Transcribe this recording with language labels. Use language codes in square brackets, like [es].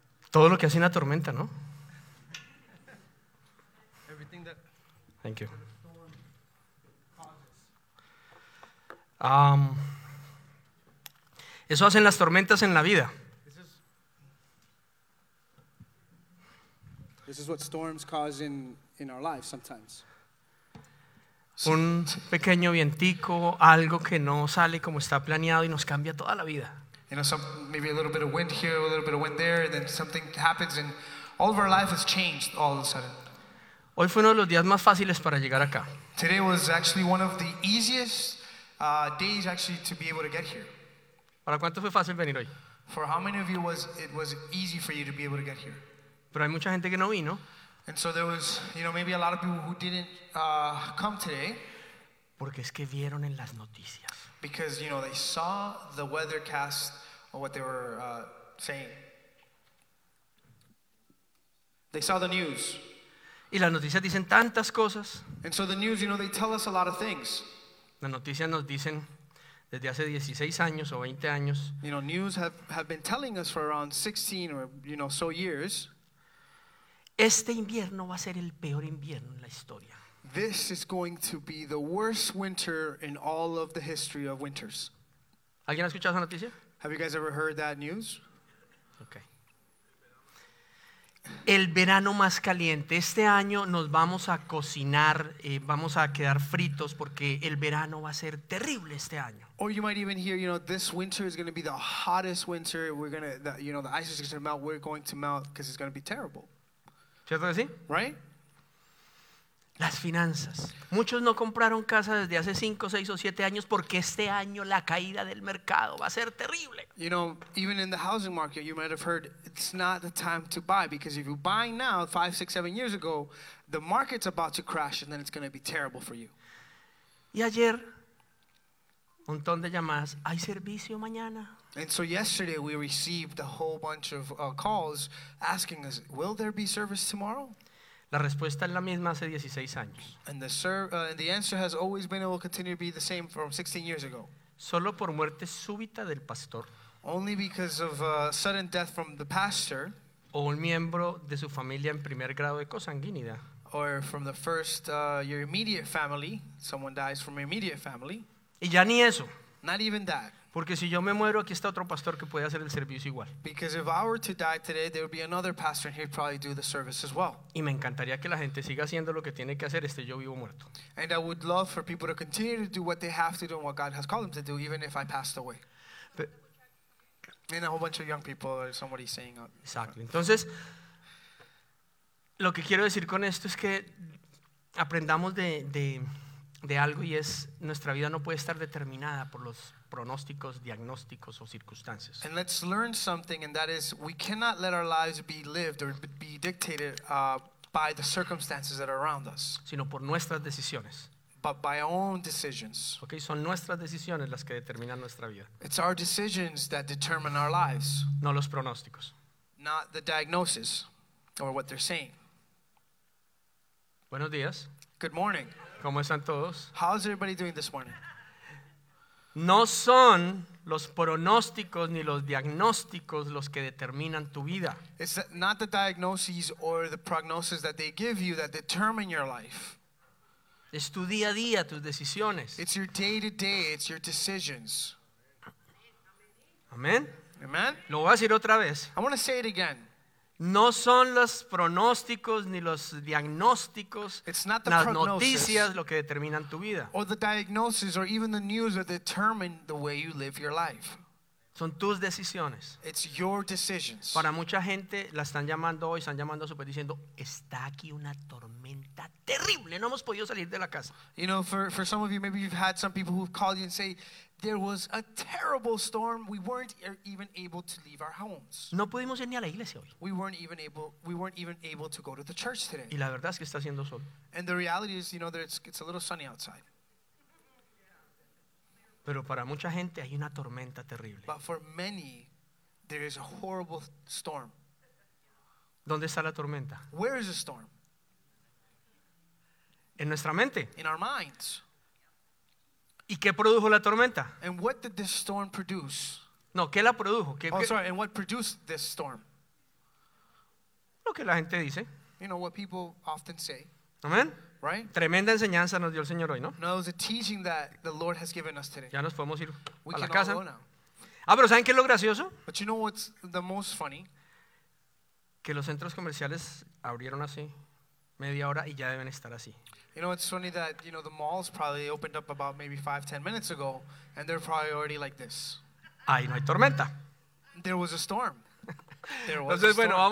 [es] Todo lo que hace una tormenta, ¿no? [en] Thank you. [es] Eso hacen las tormentas en la vida. [en] This is what storms cause in our lives sometimes. [es] Un pequeño vientico, algo que no sale como está planeado y nos cambia toda la vida. [en] You know, some, maybe a little bit of wind here, a little bit of wind there, and then something happens and all of our life has changed all of a sudden. [es] Hoy fue uno de los días más fáciles para llegar acá. [en] Today was actually one of the easiest days actually to be able to get here. [es] ¿Para cuánto fue fácil venir hoy? [en] For how many of you was it easy for you to be able to get here? [es] Pero hay mucha gente que no vino. [en] And so there was, you know, maybe a lot of people who didn't come today. [es] Porque es que vieron en las noticias. [en] Because, you know, they saw the weathercast or what they were saying. They saw the news. [es] Y las noticias dicen tantas cosas. [en] And so the news, you know, they tell us a lot of things. [es] Las noticias nos dicen desde hace 16 años o 20 años. [en] You know, news have been telling us for around 16 or, you know, so years. [es] Este invierno va a ser el peor invierno en la historia. [en] This is going to be the worst winter in all of the history of winters. [es] ¿Alguien ha escuchado esa noticia? [en] Have you guys ever heard that news? Okay. [es] El verano más caliente. Este año nos vamos a cocinar, vamos a quedar fritos porque el verano va a ser terrible este año. [en] Or you might even hear, you know, this winter is going to be the hottest winter. We're going to, you know, the ice is going to melt. We're going to melt because it's going to be terrible. [es] ¿Cierto que sí? [en] Right? [es] Las finanzas. Muchos no compraron casa desde hace 5, 6 o 7 años porque este año la caída del mercado va a ser terrible. [en] You know, even in the housing market, you might have heard it's not the time to buy because if you buy now, 5, 6, 7 years ago, the market's about to crash and then it's going to be terrible for you. [es] Y ayer, un montón de llamadas. ¿Hay servicio mañana? [en] And so yesterday we received a whole bunch of calls asking us, will there be service tomorrow? [es] La respuesta es la misma hace 16 años. [en] And the answer has always been and will continue to be the same from 16 years ago. [es] Solo por muerte súbita del pastor. [en] Only because of sudden death from the pastor. [es] O un miembro de su familia en primer grado de consanguinidad. [en] Or from the first, your immediate family. Someone dies from your immediate family. [es] Y ya ni eso. [en] Not even that. [es] Porque si yo me muero, aquí está otro pastor que puede hacer el servicio igual. [en] Because if I were to die today, there would be another pastor and he'd probably do the service as well. [es] Y me encantaría que la gente siga haciendo lo que tiene que hacer, esté yo vivo o muerto. [en] And I would love for people to continue to do what they have to do and what God has called them to do, even if I passed away. And a whole bunch of young people or somebody saying. Exactly. [es] Entonces, lo que quiero decir con esto es que aprendamos de algo y es nuestra vida no puede estar determinada por los pronósticos, diagnósticos o circunstancias. [en] And let's learn something, and that is we cannot let our lives be lived or be dictated by the circumstances that are around us, [es] sino por nuestras decisiones. [en] But by our own decisions. [es] Okay, son nuestras decisiones las que determinan nuestra vida. [en] It's our decisions that determine our lives. [es] No los pronósticos. [en] Not the diagnosis or what they're saying. [es] Buenos días. [en] Good morning. [es] ¿Cómo están todos? [en] How's everybody doing this morning? [es] No son los pronósticos ni los diagnósticos los que determinan tu vida. [en] It's not the diagnoses or the prognosis that they give you that determine your life. [es] Es tu día a día, tus decisiones. [en] It's your day to day, it's your decisions. [es] Amén. [en] Amen. [es] Lo voy a decir otra vez. [en] I want to say it again. [es] No son los pronósticos ni los diagnósticos, las noticias lo que determinan tu vida. [en] Or the diagnosis or even the news that determine the way you live your life. [es] Son tus decisiones. [en] It's your decisions. [es] Para mucha gente la están llamando hoy, están llamando a su país diciendo, está aquí una tormenta terrible, no hemos podido salir de la casa. [en] You know, for some of you, maybe you've had some people who've called you and say, there was a terrible storm. We weren't even able to leave our homes. [es] No pudimos ir ni a la iglesia hoy. [en] We weren't even able to go to the church today. [es] Y la verdad es que está haciendo sol. [en] And the reality is, you know, that it's a little sunny outside. [es] Pero para mucha gente hay una tormenta terrible. [en] But for many, there is a horrible storm. [es] ¿Dónde está la tormenta? [en] Where is the storm? [es] En nuestra mente. [en] In our minds. [es] ¿Y qué produjo la tormenta? [en] And what did this storm produce? [es] No, ¿qué la produjo? ¿Qué, [en] oh, sorry, and what produced this storm? [es] Lo que la gente dice. [en] You know what people often say. Amen. Right? [es] Tremenda enseñanza nos dio el Señor hoy, ¿no? [en] No, it was a teaching that the Lord has given us today. [es] Ya nos podemos ir [en] we [es] a la casa. Ah, pero ¿saben qué es lo gracioso? [en] But you know what's the most funny? [es] Que los centros comerciales abrieron así media hora y ya deben estar así. [en] You know, it's funny that, you know, the malls probably opened up about maybe 5-10 minutes ago, and they're probably already like this. [es] Ahí no hay tormenta. [en] There was a storm. There was [es] Entonces, a bueno, [en] storm.